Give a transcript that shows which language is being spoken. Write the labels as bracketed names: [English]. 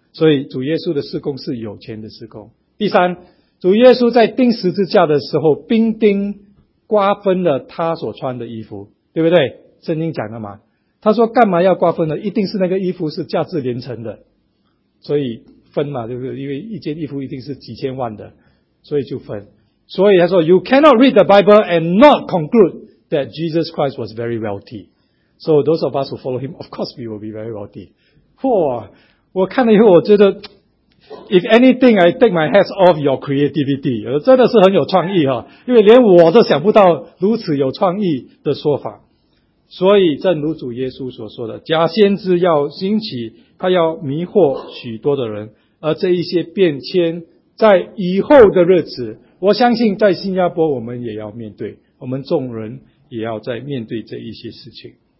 [Chinese] 所以主耶稣的事工是有钱的事工。第三，主耶稣在钉十字架的时候，兵丁瓜分了他所穿的衣服，对不对？圣经讲的嘛，他说干嘛要瓜分呢？一定是那个衣服是价值连城的，所以分嘛，对不对？因为一件衣服一定是几千万的，所以就分。所以他说 [English] You cannot read the Bible and not conclude that Jesus Christ was very wealthy. So those of us who follow him, of course we will be very wealthy. [Chinese] 我看了以后我觉得 [English] If anything, I take my hats off your creativity. [Chinese] 真的是很有创意，因为连我都想不到如此有创意的说法。所以正如主耶稣所说的，假先知要兴起，他要迷惑许多的人，而这一些变迁在以后的日子，我相信在新加坡我们也要面对，我们众人也要在面对这一些事情。